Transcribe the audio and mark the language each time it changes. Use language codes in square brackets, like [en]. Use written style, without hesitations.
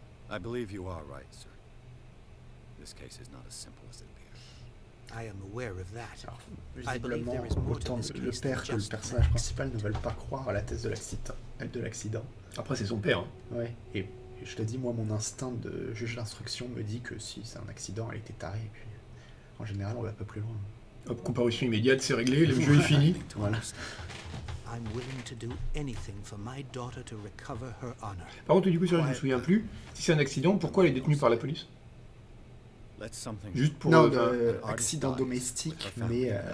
[en] I believe you are right, sir. This case is not as simple as it appears. I am aware of that. [fr] Visiblement, autant le père que le personnage principal ne veulent pas croire à la thèse de l'accident. Après, c'est son père. Ouais. Et je te dis, moi, mon instinct de juge d'instruction me dit que si c'est un accident, elle était tarée. Et puis, en général, on va pas plus loin. Hop, comparution immédiate, c'est réglé, le jeu est fini. Voilà. [en] I'm willing to do anything for my daughter to recover her honor. [fr] Par contre, du coup, sérieux, je ne me souviens plus. Si c'est un accident, pourquoi elle est détenue par la police? Juste pour... Non, accident domestique, mais...